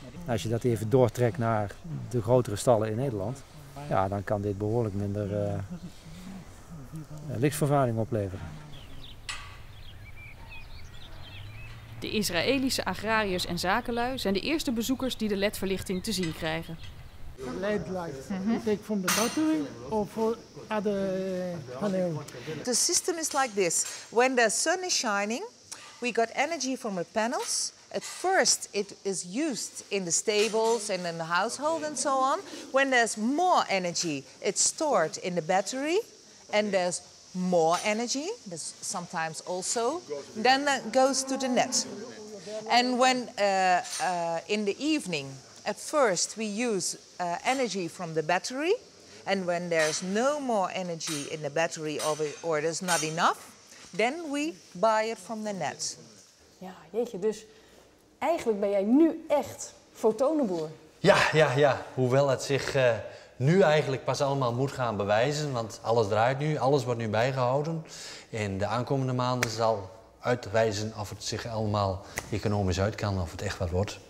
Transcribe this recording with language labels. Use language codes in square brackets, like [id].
[nl] Als je dat even doortrekt naar de grotere stallen in Nederland, ja, dan kan dit behoorlijk minder lichtvervuiling opleveren. De Israëlische agrariërs en zakenlui zijn de eerste bezoekers die de LED-verlichting te zien krijgen. [en] LED light, take from the battery or for other panel. The system is like this. When the sun is shining, we got energy from the panels. At first it is used in the stables and in the household and so on. When there's more energy, it's stored in the battery and there's more energy, this sometimes also, then that goes to the net. And when in the evening, at first we use energy from the battery, and when there's no more energy in the battery or there's not enough, then we buy it from the net. [nl] Ja, jeetje, dus eigenlijk ben jij nu echt fotonenboer. Ja. Hoewel het zich nu eigenlijk pas allemaal moet gaan bewijzen, want alles draait nu, alles wordt nu bijgehouden. En de aankomende maanden zal uitwijzen of het zich allemaal economisch uit kan, of het echt wat wordt.